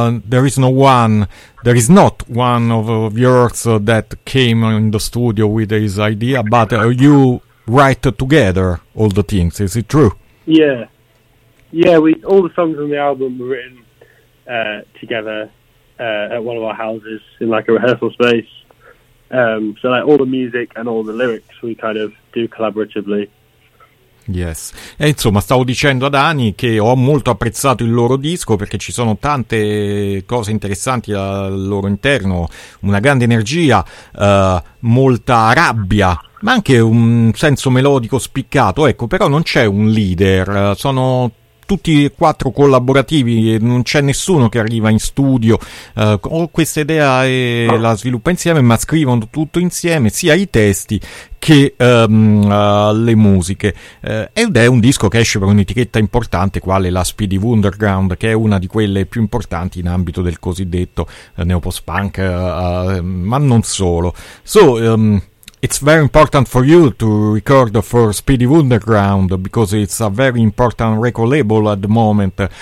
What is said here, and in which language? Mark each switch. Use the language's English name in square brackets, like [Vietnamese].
[English] There is not one of yours that came in the studio with his idea, but you write together all the things. Is it true? Yeah, all the songs on the album were written together. At one of our houses in like a rehearsal space, so like all the music and all the lyrics we kind of do collaboratively. [Italian] Yes, e insomma stavo dicendo ad Ani che ho molto apprezzato il loro disco perché ci sono tante cose interessanti al loro interno, una grande energia, molta rabbia, ma anche un senso melodico spiccato, ecco, però non c'è un leader, sono tutti e quattro collaborativi, non c'è nessuno che arriva in studio, ho questa idea e la sviluppa insieme, ma scrivono tutto insieme, sia i testi che le musiche. Ed è un disco che esce per un'etichetta importante, quale la Speedy Wonderground, che è una di quelle più importanti in ambito del cosiddetto neopost-punk, ma non solo. [English] It's very important for you to record for Speedy Wonderground because it's a very important record label at the moment.